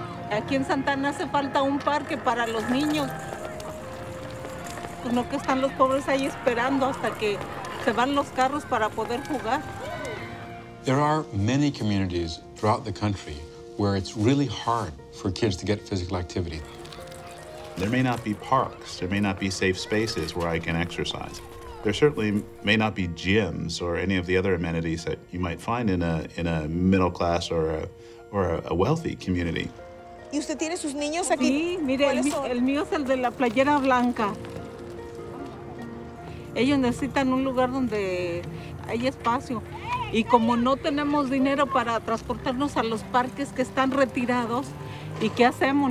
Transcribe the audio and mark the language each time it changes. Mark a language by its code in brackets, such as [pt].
[es] Aquí en Santana hace falta un parque para los niños. Pues no que están los pobres ahí esperando hasta que se van los carros para poder jugar. [en] There are many communities throughout the country where it's really hard for kids to get physical activity. There may not be parks, there may not be safe spaces where I can exercise. There certainly may not be gyms or any of the other amenities that you might find in a middle class or a wealthy community. [es] ¿Y usted tiene sus niños aquí? Sí, mire, el mío es el de la playera blanca. Ellos necesitan un lugar donde hay espacio. Y como no tenemos dinero para transportarnos a los parques que están retirados, ¿y qué hacemos?